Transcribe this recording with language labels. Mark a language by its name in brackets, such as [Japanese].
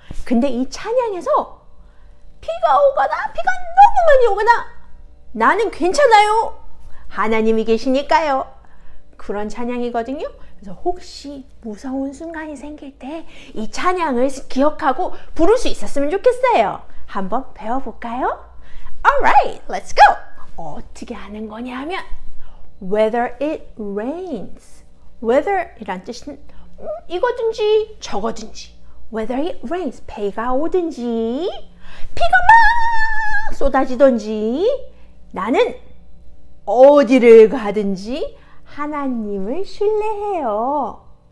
[Korean] 근데 이 찬양에서 비가 오거나 비가 너무 많이 오거나 나는 괜찮아요. 하나님이 계시니까요. 그런 찬양이거든요. 그래서 혹시 무서운 순간이 생길 때이 찬양을 기억하고 부를 수 있었으면 좋겠어요. 한번 배워볼까요? [English] Alright, let's go! [Korean] 어떻게 하는 거냐면, [English] whether it rains. [Korean] whether 이란 뜻은 이거든지 저거든지. [English] whether it rains, [Korean] 비가 오든지, 비가 막 쏟아지든지, 나는 어디를 가든지 하나님을 신뢰해요.